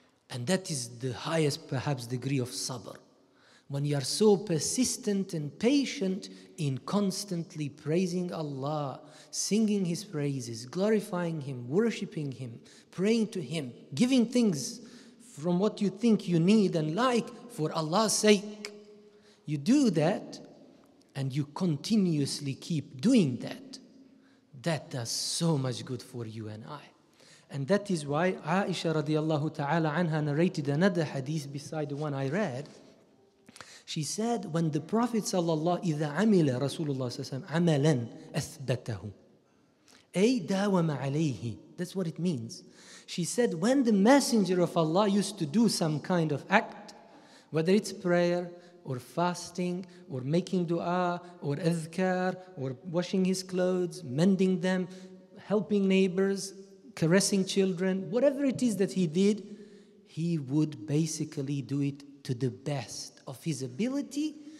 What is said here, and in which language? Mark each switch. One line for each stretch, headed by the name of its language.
English: And that is the highest, perhaps, degree of sabr, when you are so persistent and patient in constantly praising Allah, singing His praises, glorifying Him, worshipping Him, praying to Him, giving things from what you think you need and like for Allah's sake. You do that and you continuously keep doing that. That does so much good for you and I. And that is why Aisha radiallahu ta'ala anha narrated another hadith beside the one I read. She said, when the Prophet sallallahu
Arabic: إِذَا عَمِلَ رَسُولُ اللَّهِ صَلَّى اللَّهُ عَلَيْهِ وَسَلَّمَ عَمَلًا أَثْبَتَهُ أَيْ دَاوَمَ عَلَيْهِ.
English: That's what it means. She said, when the Messenger of Allah used to do some kind of act, whether it's prayer or fasting or making dua or adhkar or washing his clothes, mending them, helping neighbors, caressing children, whatever it is that he did, he would basically do it to the best of his ability